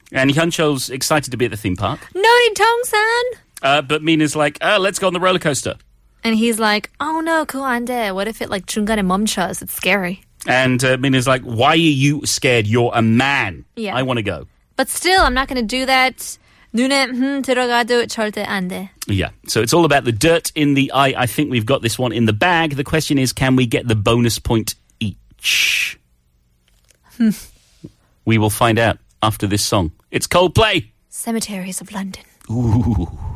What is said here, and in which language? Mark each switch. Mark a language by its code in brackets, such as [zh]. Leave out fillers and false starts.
[en] and Hyuncho's excited to be at the theme park. No, in Tongsan. But Mina's like, let's go on the roller coaster. And he's like, oh no, [ko] 그거 안 돼. [en] What if it like [ko] 중간에 멈춰? [en] It's scary. And Mina's like, why are you scared? You're a man. Yeah. I want to go. But still, I'm not going to do that. [ko] 눈에 들어가도 절대 안 돼. [en] Yeah. So it's all about the dirt in the eye. I think we've got this one in the bag. The question is, can we get the bonus point each? We will find out after this song. It's Coldplay. Cemeteries of London. Ooh.